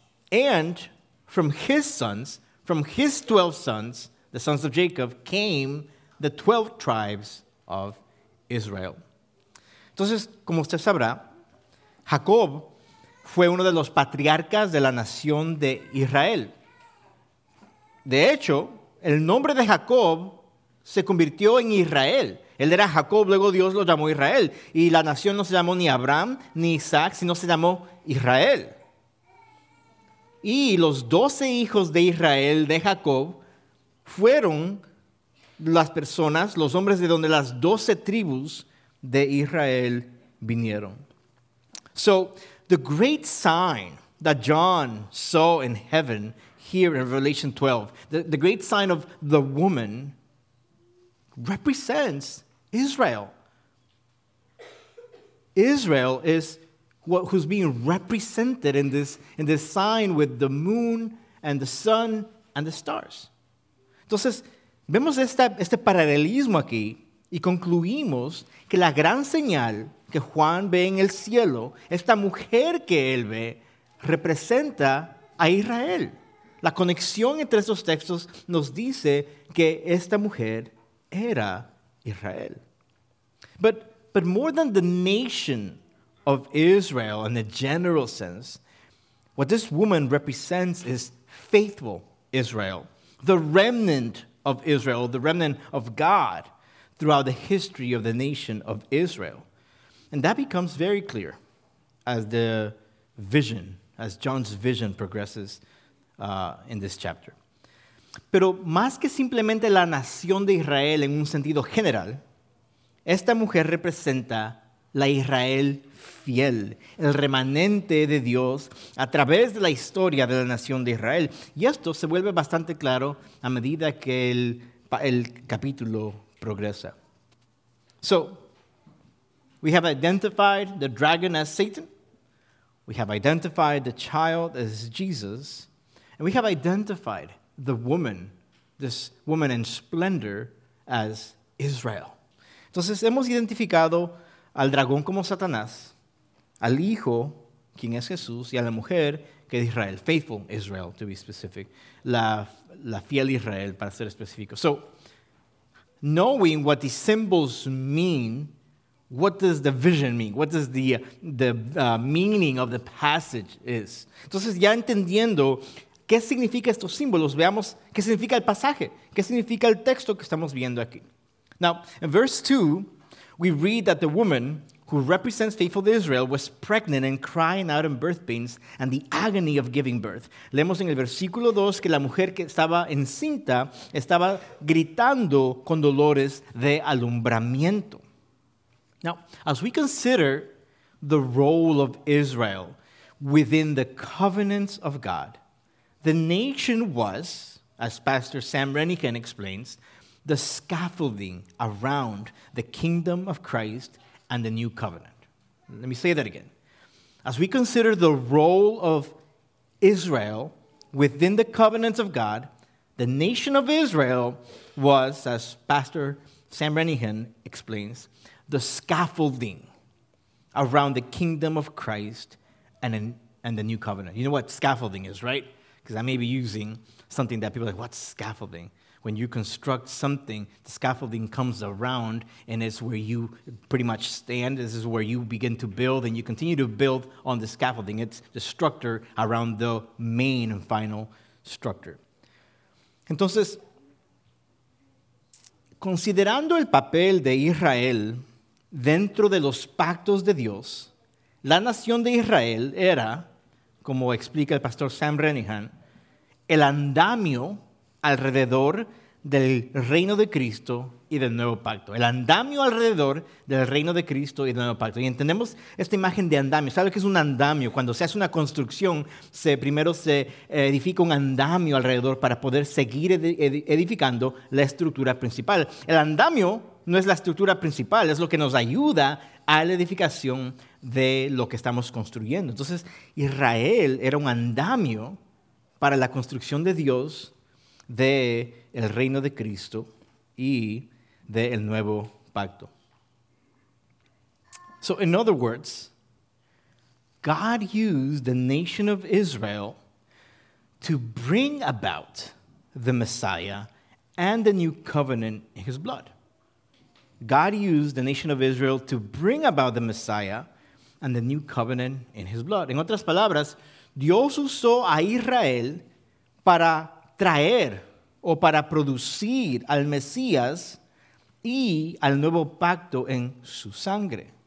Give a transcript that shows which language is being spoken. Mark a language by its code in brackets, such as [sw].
[en] And from his sons, from his 12 sons, the sons of Jacob, came the 12 tribes of Israel. [es] Entonces, como usted sabrá, Jacob fue uno de los patriarcas de la nación de Israel. De hecho, el nombre de Jacob se convirtió en Israel. Él era Jacob, luego Dios lo llamó Israel. Y la nación no se llamó ni Abraham ni Isaac, sino se llamó Israel. Y los 12 hijos de Israel, de Jacob, fueron las personas, los hombres de donde las 12 tribus de Israel vinieron. [en] So, the great sign that John saw in heaven here in Revelation 12, the great sign of the woman represents Israel. Israel is who's being represented in this sign with the moon and the sun and the stars. [es] Entonces, vemos este paralelismo aquí y concluimos que la gran señal que Juan ve en el cielo, esta mujer que él ve, representa a Israel. La conexión entre estos textos nos dice que esta mujer era Israel. [en] But more than the nation of Israel in a general sense, what this woman represents is faithful Israel, the remnant of Israel, the remnant of God throughout the history of the nation of Israel. And that becomes very clear as John's vision progresses in this chapter. [es] Pero más que simplemente la nación de Israel en un sentido general, esta mujer representa la Israel fiel, el remanente de Dios a través de la historia de la nación de Israel. Y esto se vuelve bastante claro a medida que el capítulo progresa. [en] So, we have identified the dragon as Satan. We have identified the child as Jesus. And we have identified the woman, this woman in splendor, as Israel. [es] Entonces, hemos identificado al dragón como Satanás, al hijo, quien es Jesús, y a la mujer, que es Israel. [en] Faithful Israel, to be specific. [es] La fiel Israel, para ser específico. [en] So, knowing what these symbols mean, what does the vision mean? What does the meaning of the passage is? [es] Entonces, ya entendiendo qué significa estos símbolos, veamos qué significa el pasaje, qué significa el texto que estamos viendo aquí. [en] Now, in verse 2, we read that the woman who represents faithful Israel was pregnant and crying out in birth pains and the agony of giving birth. [es] Leemos en el versículo 2 que la mujer que estaba encinta estaba gritando con dolores de alumbramiento. [en] Now, as we consider the role of Israel within the covenants of God. The nation was, as Pastor Sam Renican explains, the scaffolding around the kingdom of Christ and the new covenant. Let me say that again. As we consider the role of Israel within the covenants of God, the nation of Israel was, as Pastor Sam Renican explains, the scaffolding around the kingdom of Christ and the new covenant. You know what scaffolding is, right? Because I may be using something that people are like, what's scaffolding? When you construct something, the scaffolding comes around and it's where you pretty much stand. This is where you begin to build and you continue to build on the scaffolding. It's the structure around the main and final structure. [es] Entonces, considerando el papel de Israel dentro de los pactos de Dios, la nación de Israel era, como explica el pastor Sam Renican, el andamio alrededor del reino de Cristo y del nuevo pacto. El andamio alrededor del reino de Cristo y del nuevo pacto. Y entendemos esta imagen de andamio. ¿Sabe qué es un andamio? Cuando se hace una construcción, primero se edifica un andamio alrededor para poder seguir edificando la estructura principal. El andamio no es la estructura principal, es lo que nos ayuda a la edificación de lo que estamos construyendo. Entonces, Israel era un andamio para la construcción de Dios de el reino de Cristo y de el nuevo pacto. [en] So in other words, God used the nation of Israel to bring about the Messiah and the new covenant in his blood. God used the nation of Israel to bring about the Messiah and the new covenant in his blood. [es] En otras palabras, Dios usó a Israel para traer o para producir al Mesías y al nuevo pacto en su sangre.